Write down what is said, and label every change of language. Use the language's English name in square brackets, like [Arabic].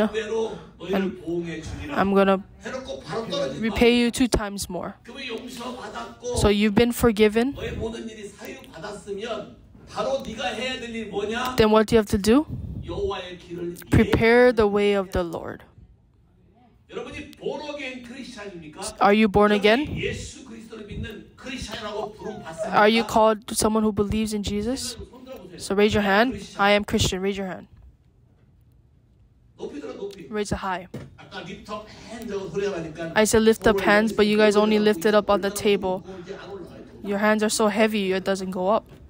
[English] And I'm going to repay you two times more. So you've been forgiven. Then what do you have to do? Prepare the way of the Lord. [Korean] 여러분이 born again 크리스천입니까? [English] Are you born again? [Korean] 예수 그리스도를 믿는 크리스천이라고 부름 받습니다. [English] Are you called someone who believes in Jesus? So raise your hand. I am Christian. Raise your hand. [Korean] 높이 들어 높이. [English] Raise it high. [Korean] 아까 [English] lift up hands [Korean] 하고 소리가 나니까. [English] I said lift up hands, but you guys only lift it up on the table. Your hands are so heavy, it doesn't go up.